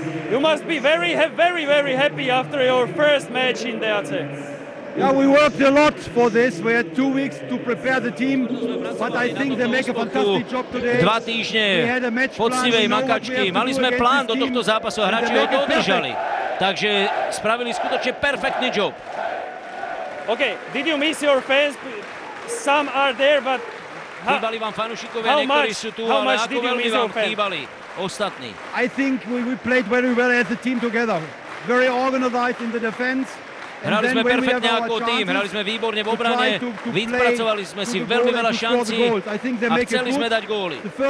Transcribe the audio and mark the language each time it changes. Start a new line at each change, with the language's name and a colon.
English: You must be very, very, very happy after your first match in DAC. Yeah, we worked a lot for this. We had 2 weeks to prepare the team, but I think they make a fantastic job today.
Slovak: 2 týždne poctivej makačky. Mali sme plán do tohto zápasu a hráči ho dodržali. Takže spravili skutočne perfektný job.
English: Okay, did you miss your fans? Some are there, but
Slovak: chýbali vám fanúšikovia, niektorí sú tu, ale ako veľmi vám chýbali ostatní?
English: I think we played very well as a team together. Very organized in the defense.
Slovak: Hrali sme perfektne ako tým, hrali sme výborne v obrane, vypracovali sme si veľmi veľa šancí a chceli sme dať góly.